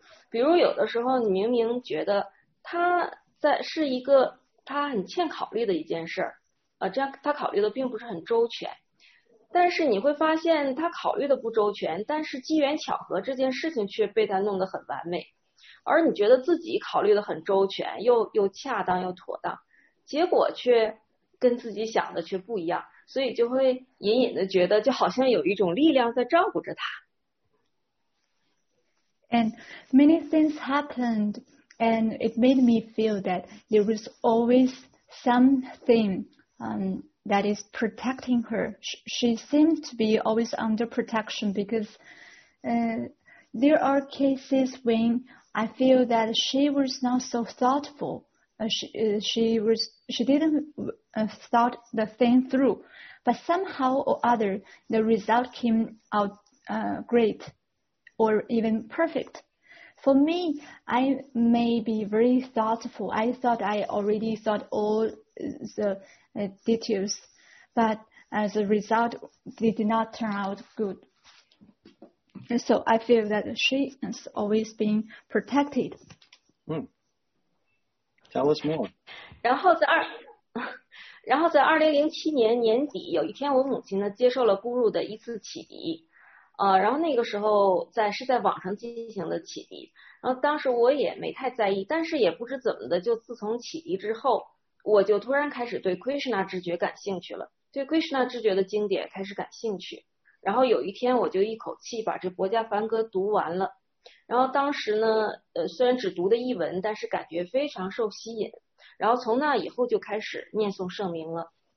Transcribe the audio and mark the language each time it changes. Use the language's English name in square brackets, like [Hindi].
[Chinese] 比如有的时候，你明明觉得他在是一个他很欠考虑的一件事儿，这样他考虑的并不是很周全，但是你会发现他考虑的不周全，但是机缘巧合这件事情却被他弄得很完美，而你觉得自己考虑的很周全，又恰当又妥当，结果却跟自己想的却不一样，所以就会隐隐的觉得就好像有一种力量在照顾着他。 [English] And many things happened. And it made me feel that there was always something that is protecting her. She seemed to be always under protection because there are cases when I feel that she was not so thoughtful. She didn't thought the thing through. But somehow or other, the result came out great or even perfect. For me, I may be very thoughtful. I thought I already thought all the details, but as a result, they did not turn out good. And so I feel that she has always been protected. Tell us more. [Chinese] 然后在2007年年底，有一天我母亲呢接受了咕噜的一次启迪。然后那个时候是在网上进行的启迪，然后当时我也没太在意，但是也不知怎么的，就自从启迪之后，我就突然开始对 Krishna 直觉感兴趣了，对 Krishna 直觉的经典开始感兴趣，然后有一天我就一口气把这薄伽梵歌读完了，然后当时呢，虽然只读的一文，但是感觉非常受吸引，然后从那以后就开始念诵圣名了。